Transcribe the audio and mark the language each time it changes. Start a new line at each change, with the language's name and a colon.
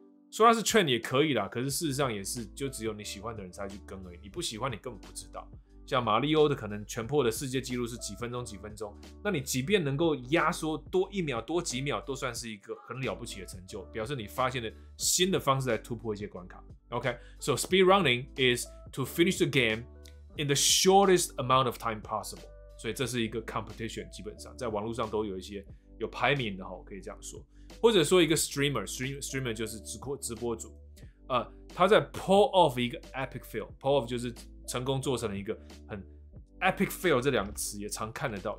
Chinese: 说它是 trend 也可以啦，可是事实上也是，就只有你喜欢的人才去跟而已。你不喜欢，你根本不知道。像马里奥的可能全破的世界纪录是几分钟几分钟，那你即便能够压缩多一秒多几秒，都算是一个很了不起的成就，表示你发现了新的方式来突破一些关卡。
English: OK， so speed running is to finish the game in the shortest amount of time possible。
Chinese: 所以这是一个 competition， 基本上在网络上都有一些有排名的哈，可以这样说。或者说一个 streamer 就是直播主，他在
English: pull off
Chinese: 一个 epic fail，pull off 就是成功做成了一个很 epic fail， 这两个词也常看得到。